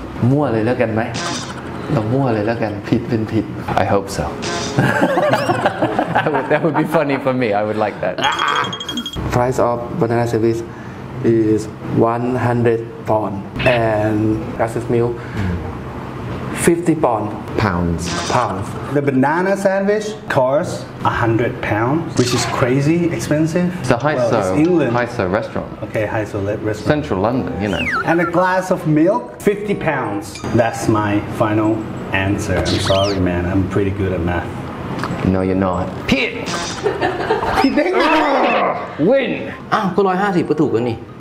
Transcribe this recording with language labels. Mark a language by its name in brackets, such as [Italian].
[Thai] มั่วเลยแล้วกันไหมเรามั่วเลยแล้วกันผิดเป็นผิด [English] I hope so. That would be funny for me. I would like that. Price of banana sandwichis 100 pound and glass milk 50 pound pounds the banana sandwich costs 100 pounds which is crazy expensive it's a Haiso restaurant okay Haiso restaurant central London you know and a glass of milk 50 pounds that's my final answer I'm sorry man I'm pretty good at math no you're not Pete win [Thai] อ้าวก็150ก็ถูกแล้วนี่